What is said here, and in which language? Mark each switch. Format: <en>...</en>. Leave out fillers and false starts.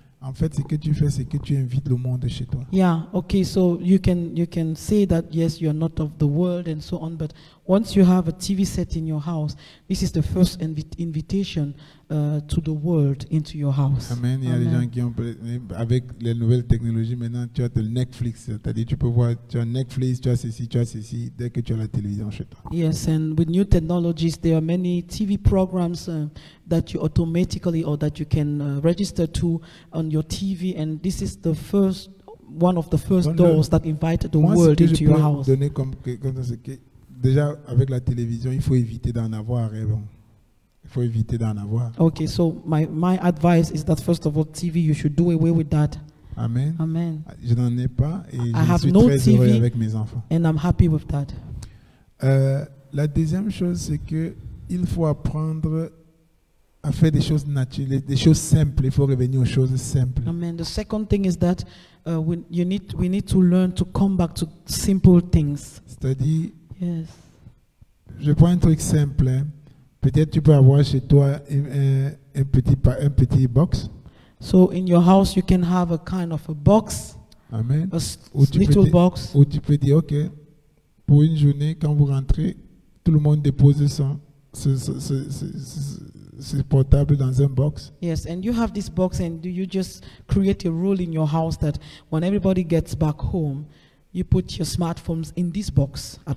<fr>En fait, ce que tu fais, c'est que tu invites le monde chez toi.</fr> <en>Yeah, okay, so you can say that yes, you're not of the world and so on, but once you have a TV set in your house, this is the first invitation to the world into your house. Amen.</en> <fr>Il y a des gens qui ont, avec les nouvelles technologies maintenant, tu as le Netflix, c'est-à-dire tu peux voir, tu as Netflix, tu as ceci, dès que tu as la télévision chez toi.</fr> <en>Yes, and with new technologies, there are many TV programs that you automatically or that you can register to on your TV, and this is the first, one of the first doors that invited the world into your house.</en> <fr>Moi, ce que je peux donner comme, c'est que déjà avec la télévision, il faut éviter d'en avoir. Il faut éviter d'en avoir.</fr> <en>Okay, so my advice is that first of all, TV, you should do away with that. Amen. Amen.</en> <fr>Je n'en ai pas et je suis très heureux avec mes enfants.</fr> <en>And I'm happy with that.</en> <fr>La deuxième chose, c'est que il faut apprendre à faire des choses naturelles, des choses simples. Il faut revenir aux choses simples.</fr> <en>Amen. The second thing is that we need to learn to come back to simple things.</en> <fr>C'est-à-dire,</fr> <en>yes.</en> <fr>Je prends un truc simple. Hein. Peut-être tu peux avoir chez toi un petit box.</fr> <en>So in your house you can have a kind of a box. Amen. A little box.</en> <fr>Ou tu peux dire ok, pour une journée quand vous rentrez, tout le monde dépose ce portable dans un box.</fr> <en>Yes, and you have this box and do you just create a rule in your house that when everybody gets back home, you put your smartphones in this box at</en>